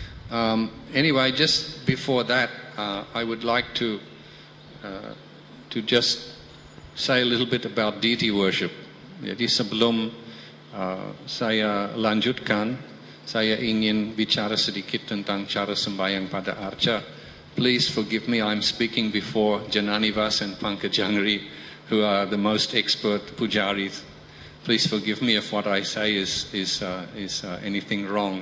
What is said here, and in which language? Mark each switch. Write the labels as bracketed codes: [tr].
[en] Anyway, just before that, I would like to just say a little bit about deity worship. [id] Jadi sebelum saya lanjutkan, saya ingin bicara sedikit tentang cara sembahyang pada arca. [en] Please forgive me, I'm speaking before Jananivas and Pankajangri, who are the most expert pujaris. Please forgive me if what I say is anything wrong.